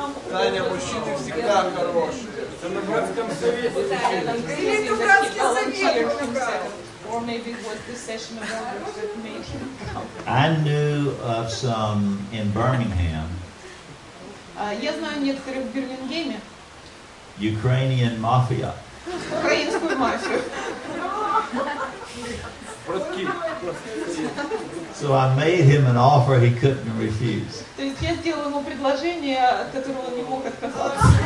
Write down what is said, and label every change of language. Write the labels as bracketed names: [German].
[Russian] Таня, мужчины всегда хорошие. Это на братском совете мужчины. Или это братский совет? [English] Or maybe it was the session of others that made him come. I knew of some in Birmingham. [Russian] Я знаю некоторых в Бирмингеме. [English] Ukrainian mafia. [Russian] Украинскую мафию. [English] So I made him an offer he couldn't refuse. [Russian] То есть я сделал ему предложение, от которого он не мог отказаться.